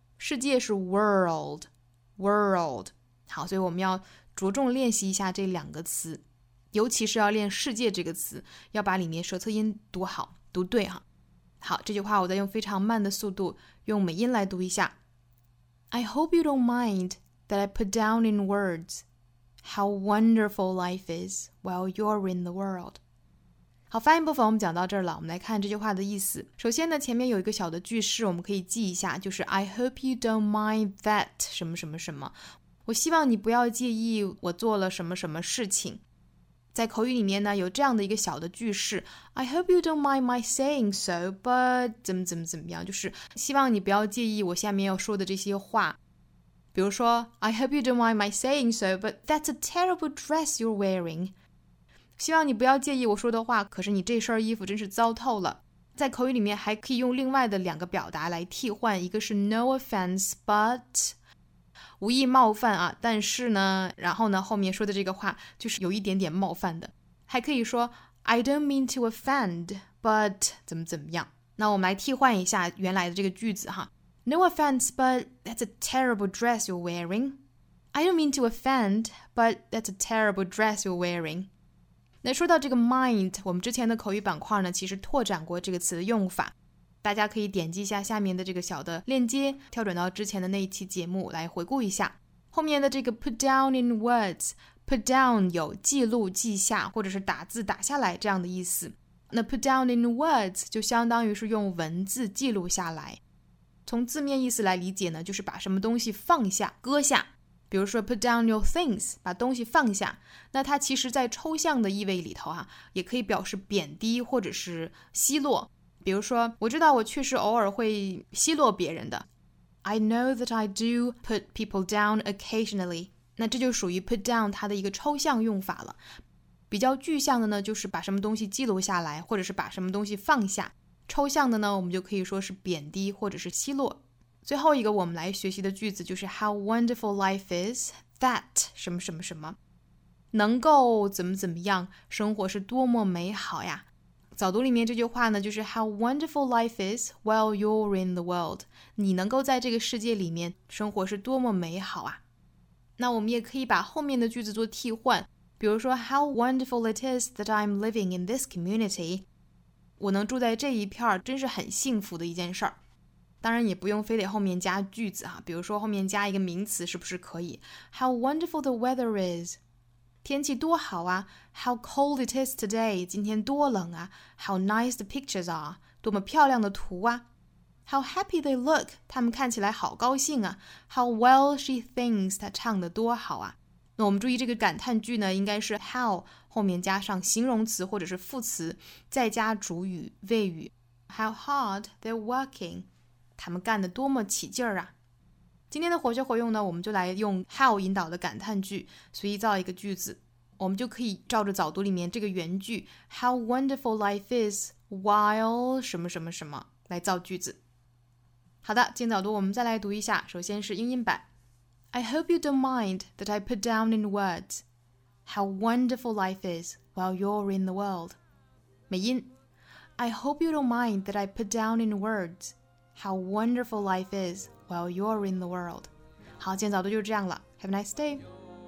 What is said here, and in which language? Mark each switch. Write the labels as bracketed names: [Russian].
[Chinese] 世界是 world. 好，所以我们要着重练习一下这两个词，尤其是要练世界这个词，要把里面舌侧音读好，读对哈。好，这句话我再用非常慢的速度用美音来读一下。 [English] I hope you don't mind that I put down in words. How wonderful life is while you're in the world. [Chinese] 好，发音部分我们讲到这儿了，我们来看这句话的意思。首先呢，前面有一个小的句式我们可以记一下，就是 [English] I hope you don't mind that [Chinese] 什么什么什么，我希望你不要介意我做了什么什么事情。在口语里面呢有这样的一个小的句式， [English] I hope you don't mind my saying so but [Chinese] 怎么样，就是希望你不要介意我下面要说的这些话。 [English] 比如说 I hope you don't mind my saying so, but that's a terrible dress you're wearing. [Chinese] 希望你不要介意我说的话，可是你这身衣服真是糟透了。在口语里面还可以用另外的两个表达来替换，一个是 [English] no offense, but [Chinese] 无意冒犯啊，但是呢，然后呢，后面说的这个话就是有一点点冒犯的。还可以说 [English] I don't mean to offend, but [Chinese] 怎么怎么样。那我们来替换一下原来的这个句子哈。 [English] No offense, but that's a terrible dress you're wearing. I don't mean to offend, but that's a terrible dress you're wearing. [Chinese] 那说到这个 mind, 我们之前的口语板块呢，其实拓展过这个词的用法。大家可以点击一下下面的这个小的链接，跳转到之前的那一期节目来回顾一下。后面的这个 [English] put down in words, put down [Chinese] 有记录、记下或者是打字打下来这样的意思。那 [English] put down in words [Chinese] 就相当于是用文字记录下来。从字面意思来理解呢，就是把什么东西放下、搁下。比如说 [English] put down your things, [Chinese] 把东西放下。那它其实在抽象的意味里头啊，也可以表示贬低或者是奚落。比如说，我知道我确实偶尔会奚落别人的。 [English] I know that I do put people down occasionally. [Chinese] 那这就属于 [English] put down [Chinese] 它的一个抽象用法了。比较具象的呢，就是把什么东西记录下来，或者是把什么东西放下。抽象的呢，我们就可以说是贬低或者是奚落。最后一个我们来学习的句子就是 [English] How wonderful life is that [Chinese] 什么什么什么。能够怎么怎么样，生活是多么美好呀。早读里面这句话呢，就是 [English] How wonderful life is while you're in the world. [Chinese] 你能够在这个世界里面生活是多么美好啊。那我们也可以把后面的句子做替换，比如说 [English] How wonderful it is that I'm living in this community. [Chinese] 我能住在这一片真是很幸福的一件事儿。当然也不用非得后面加句子啊，比如说后面加一个名词是不是可以？ [English] How wonderful the weather is. [Chinese] 天气多好啊 [English] How cold it is today [Chinese] 今天多冷啊 [English] How nice the pictures are [Chinese] 多么漂亮的图啊 [English] How happy they look [Chinese] 他们看起来好高兴啊 [English] How well she thinks [Chinese] 她唱得多好啊那我们注意这个感叹句呢应该是 how 后面加上形容词或者是副词再加主语谓语 [English] How hard they're working [Chinese] 他们干得多么起劲儿啊今天的活学活用呢，我们就来用 how 引导的感叹句，随意造一个句子，我们就可以照着早读里面这个原句 [English] how wonderful life is while [Chinese] 什么什么什么来造句子。好的，今天早读我们再来读一下，首先是英音版。 [English] I hope you don't mind that I put down in words how wonderful life is while you're in the world. [Chinese] 美音。 [English] I hope you don't mind that I put down in words how wonderful life is.While you're in the world. [Chinese] 好，今天早读就这样了。 [English] Have a nice day.